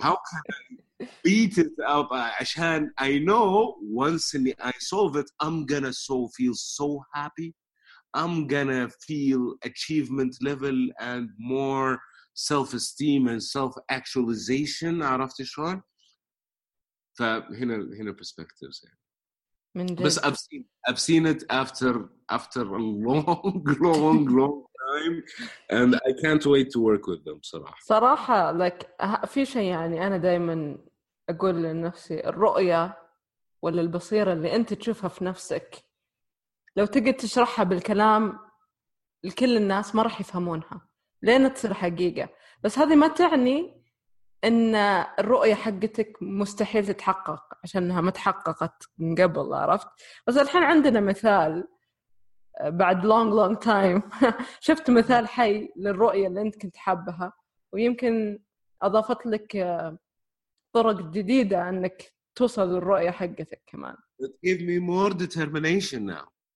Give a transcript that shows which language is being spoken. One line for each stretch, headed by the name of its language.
English: how can I beat it up
Arabic: عشان
English: I know once
Arabic: إني
English: I solve it I'm gonna so feel so happy I'm gonna feel achievement level and more self esteem and self actualization
Arabic: عرفت شلون فهنا
English: perspectives
Arabic: يعني بس
English: I've seen it after a long time and I can't wait to work with them
Arabic: صراحة. صراحة like في شيء يعني أنا دائما أقول لنفسي الرؤية ولا البصيرة اللي أنت تشوفها في نفسك لو تقدر تشرحها بالكلام لكل الناس ما رح يفهمونها لين تصير حقيقة بس هذه ما تعني إن الرؤية حقتك مستحيل تتحقق عشانها ما تحققت من قبل عرفت بس الحين عندنا مثال بعد
English: long time
Arabic: شفت مثال حي للرؤية اللي أنت كنت حابها ويمكن أضافت لك طرق جديدة أنك توصل للرؤية حقتك كمان
English: it gave me more determination now